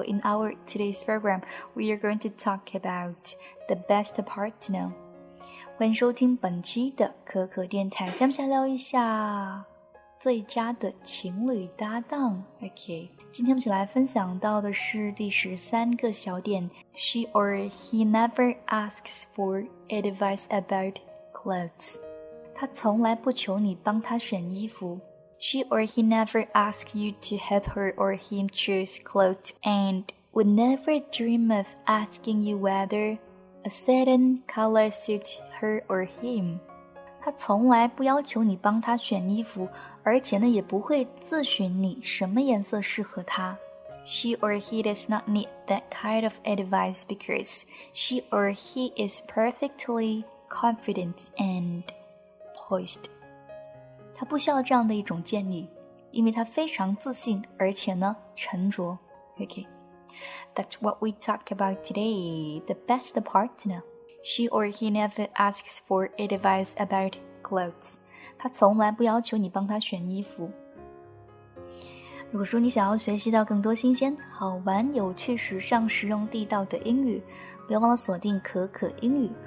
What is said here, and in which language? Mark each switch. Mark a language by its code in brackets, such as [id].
[en] In our today's program, we are going to talk about the best partner. [zh] 欢迎收听本期的可可电台，咱们先聊一下最佳的情侣搭档。 OK， 今天我们来分享到的是第十三个小点 ， [en] She or he never asks for advice about clothes. [zh] 他从来不求你帮他选衣服。 [en] She or he never asks you to help her or him choose clothes and would never dream of asking you whether a certain color suits her or him. [zh] 他从来不要求你帮他选衣服，而且呢，也不会咨询你什么颜色适合他。 [en] She or he does not need that kind of advice because she or he is perfectly confident and poised. [zh] 他不需要这样的一种建议，因为他非常自信，而且呢，沉着。 [en] Okay, that's what we talk about today. The best partner. She or he never asks for advice about clothes. [zh] 他从来不要求你帮他选衣服。如果说你想要学习到更多新鲜、好玩、有趣、时尚、实用、地道的英语，不要忘了锁定可可英语。